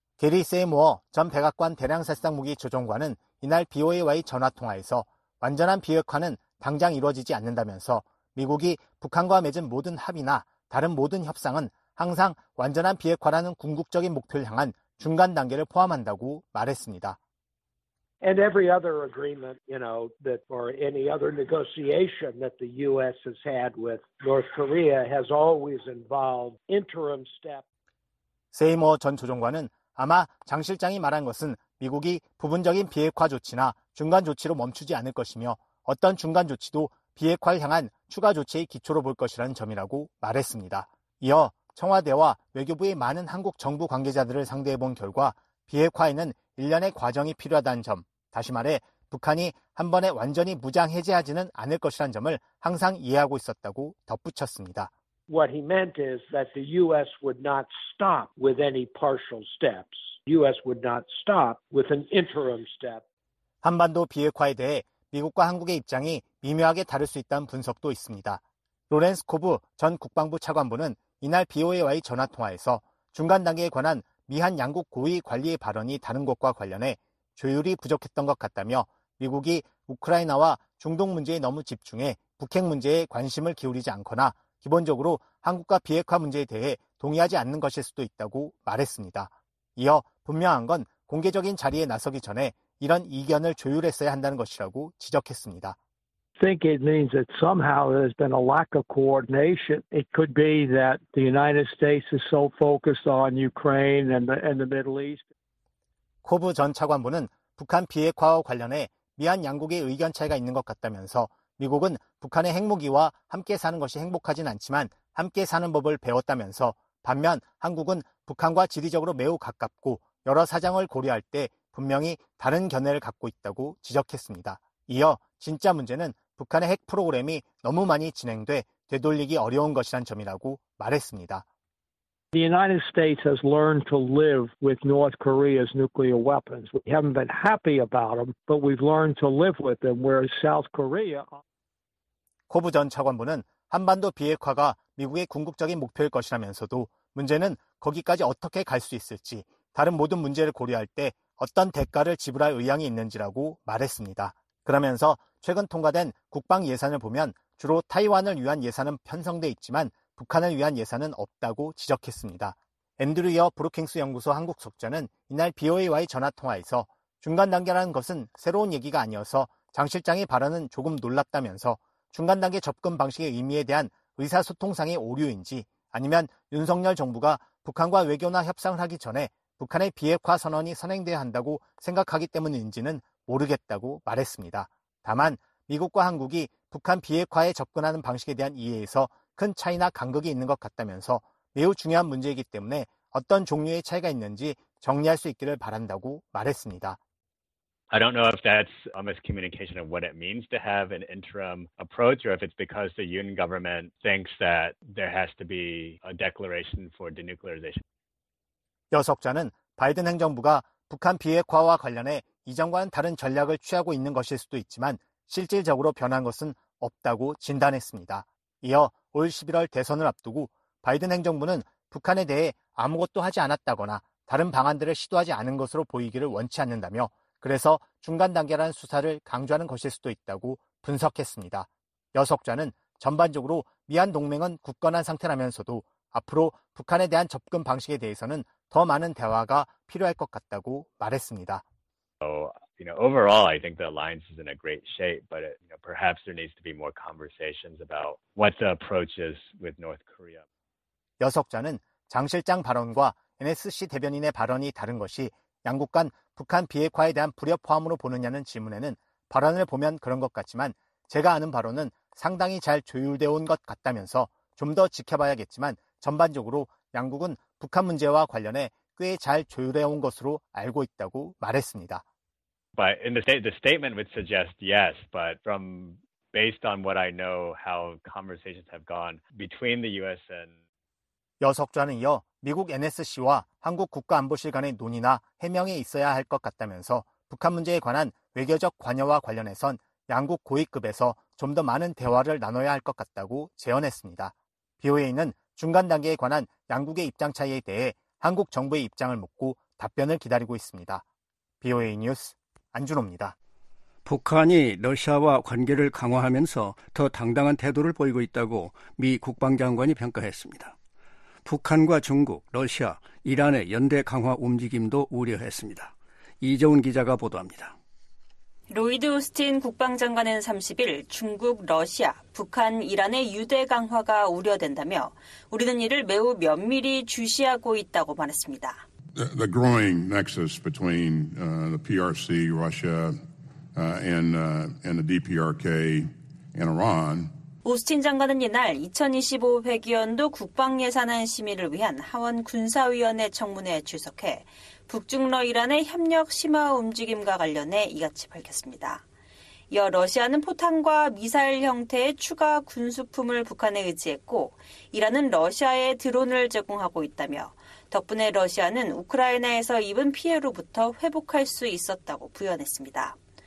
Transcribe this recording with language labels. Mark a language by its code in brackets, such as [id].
[ko] 게리 세이모어 전 백악관 대량살상 무기 조종관은 이날 BOA와의 전화통화에서 완전한 비핵화는 당장 이루어지지 않는다면서 미국이 북한과 맺은 모든 합의나 다른 모든 협상은 항상 완전한 비핵화라는 궁극적인 목표를 향한 중간 단계를 포함한다고 말했습니다. [en] And every other agreement, you know, that or any other negotiation that the U.S. has had with North Korea has always involved interim steps. [ko] 세이머 전 조정관은 아마 장 실장이 말한 것은 미국이 부분적인 비핵화 조치나 중간 조치로 멈추지 않을 것이며 어떤 중간 조치도 비핵화를 향한 추가 조치의 기초로 볼 것이라는 점이라고 말했습니다. 이어 청와대와 외교부의 많은 한국 정부 관계자들을 상대해 본 결과 비핵화에는 일련의 과정이 필요하다는 점, 다시 말해 북한이 한 번에 완전히 무장 해제하지는 않을 것이란 점을 항상 이해하고 있었다고 덧붙였습니다. [en] What he meant is that the U.S. would not stop with any partial steps. U.S. would not stop with an interim step. [ko] 한반도 비핵화에 대해 미국과 한국의 입장이 미묘하게 다를 수 있다는 분석도 있습니다. 로렌스 코브 전 국방부 차관보는 이날 BOA와의 전화통화에서 중간 단계에 관한 미한 양국 고위 관리의 발언이 다른 것과 관련해 조율이 부족했던 것 같다며 미국이 우크라이나와 중동 문제에 너무 집중해 북핵 문제에 관심을 기울이지 않거나 기본적으로 한국과 비핵화 문제에 대해 동의하지 않는 것일 수도 있다고 말했습니다. 이어 분명한 건 공개적인 자리에 나서기 전에 이런 이견을 조율했어야 한다는 것이라고 지적했습니다. [en] I think it means that somehow there's been a lack of coordination. It could be that the United States is so focused on Ukraine and the Middle East. [ko] 코브 전 차관보는 북한 비핵화와 관련해 미한 양국의 의견 차이가 있는 것 같다면서 미국은 북한의 핵무기와 함께 사는 것이 행복하진 않지만 함께 사는 법을 배웠다면서 반면 한국은 북한과 지리적으로 매우 가깝고 여러 사정을 고려할 때 분명히 다른 견해를 갖고 있다고 지적했습니다. 이어 진짜 문제는 북한의 핵 프로그램이 너무 많이 진행돼 되돌리기 어려운 것이란 점이라고 말했습니다. [en] The United States has learned to live with North Korea's nuclear weapons. We haven't been happy about them, but we've learned to live with them. Whereas South Korea, [ko] 코브 전 차관보는 한반도 비핵화가 미국의 궁극적인 목표일 것이라면서도 문제는 거기까지 어떻게 갈 수 있을지 다른 모든 문제를 고려할 때 어떤 대가를 지불할 의향이 있는지라고 말했습니다. 그러면서 최근 통과된 국방 예산을 보면 주로 타이완을 위한 예산은 편성돼 있지만 북한을 위한 예산은 없다고 지적했습니다. 앤드류 이어 브루킹스 연구소 한국 속전은 이날 BOA와의 전화통화에서 중간 단계라는 것은 새로운 얘기가 아니어서 장 실장의 발언은 조금 놀랍다면서 중간 단계 접근 방식의 의미에 대한 의사소통상의 오류인지 아니면 윤석열 정부가 북한과 외교나 협상을 하기 전에 북한의 비핵화 선언이 선행돼야 한다고 생각하기 때문인지는 모르겠다고 말했습니다. 다만 미국과 한국이 북한 비핵화에 접근하는 방식에 대한 이해에서 큰 차이나 간극이 있는 것 같다면서 매우 중요한 문제이기 때문에 어떤 종류의 차이가 있는지 정리할 수 있기를 바란다고 말했습니다. [en] I don't know if that's a miscommunication of what it means to have an interim approach or if it's because the Yoon government thinks that there has to be a declaration for denuclearization. [ko] 여석자는 바이든 행정부가 북한 비핵화와 관련해 이전과는 다른 전략을 취하고 있는 것일 수도 있지만 실질적으로 변한 것은 없다고 진단했습니다. 이어 올 11월 대선을 앞두고 바이든 행정부는 북한에 대해 아무것도 하지 않았다거나 다른 방안들을 시도하지 않은 것으로 보이기를 원치 않는다며 그래서 중간 단계라는 수사를 강조하는 것일 수도 있다고 분석했습니다. 여석자는 전반적으로 미한 동맹은 굳건한 상태라면서도 앞으로 북한에 대한 접근 방식에 대해서는 더 많은 대화가 필요할 것 같다고 말했습니다. [en] You know, overall, I think the alliance is in a great shape, but it, you know, perhaps there needs to be more conversations about what the approach is with North Korea. [ko] 여석자는 장 실장 발언과 NSC 대변인의 발언이 다른 것이 양국 간 북한 비핵화에 대한 불협 포함으로 보느냐는 질문에는 발언을 보면 그런 것 같지만 제가 아는 발언은 상당히 잘 조율되어 온 것 같다면서 좀 더 지켜봐야겠지만 전반적으로 양국은 북한 문제와 관련해 꽤 잘 조율해 온 것으로 알고 있다고 말했습니다. [en] But in the statement would suggest yes, but from based on what I know how conversations have gone between the US and [ko] 여석좌는 이어 미국 NSC와 한국 국가안보실 간의 논의나 해명이 있어야 할 것 같다면서 북한 문제에 관한 외교적 관여와 관련해선 양국 고위급에서 좀 더 많은 대화를 나눠야 할 것 같다고 제언했습니다. BOA는 중간 단계에 관한 양국의 입장 차이에 대해 한국 정부의 입장을 묻고 답변을 기다리고 있습니다. BOA 뉴스 안준호입니다. 북한이 러시아와 관계를 강화하면서 더 당당한 태도를 보이고 있다고 미 국방장관이 평가했습니다. 북한과 중국, 러시아, 이란의 연대 강화 움직임도 우려했습니다. 이재훈 기자가 보도합니다. 로이드 오스틴 국방장관은 30일 중국, 러시아, 북한, 이란의 유대 강화가 우려된다며 우리는 이를 매우 면밀히 주시하고 있다고 말했습니다. [en] The growing nexus between the PRC, Russia, and the DPRK and Iran. [ko] 오스틴 장관은 이날 2025 회기연도 국방예산안 심의를 위한 하원 군사위원회 청문회에 출석해 북중러 이란의 협력 심화 움직임과 관련해 이같이 밝혔습니다. 이어 러시아는 포탄과 미사일 형태의 추가 군수품을 북한에 의지했고 이란은 러시아에 드론을 제공하고 있다며 덕분에 러시아는 우크라이나에서 입은 피해로부터 회복할 수 있었다고 부연했습니다.